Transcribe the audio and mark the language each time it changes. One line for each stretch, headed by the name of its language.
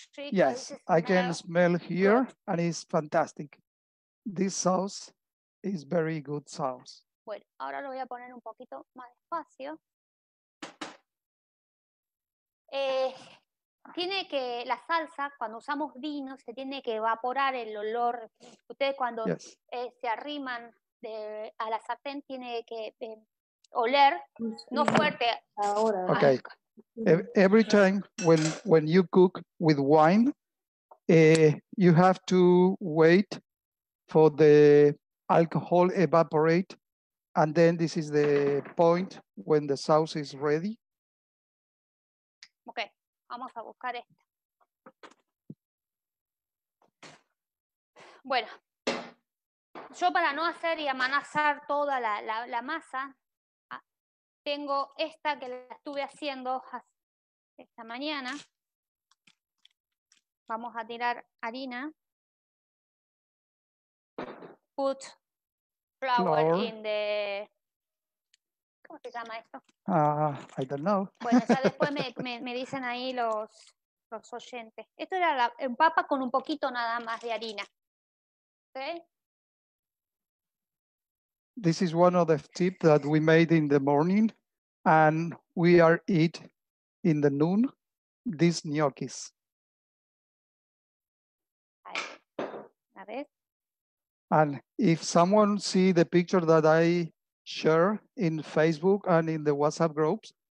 English: Yes, I can smell here, and it's fantastic. This sauce is very good sauce.
Spanish: Bueno, ahora lo voy a poner un poquito más despacio. Tiene que la salsa, cuando usamos vino, se tiene que evaporar el olor. Ustedes cuando se arriman a la sartén, tiene que oler, no fuerte. Ahora.
English: Okay. Every time when you cook with wine, you have to wait for the alcohol evaporate, and then this is the point when the sauce is ready.
Spanish: Vamos a buscar esta. Bueno, yo para no hacer y amasar toda la masa, tengo esta que la estuve haciendo esta mañana. Vamos a tirar harina.
English: Put flour in the...
Spanish: ¿Cómo se llama esto?
English: I don't know.
Spanish: Bueno, ya después me dicen ahí los oyentes. Esto era un papa con un poquito nada más de harina. ¿Sí?
English: This is one of the tips that we made in the morning and we are eat in the noon these gnocchis.
Spanish: A ver.
English: And if someone see the picture that I share in Facebook and in the WhatsApp groups.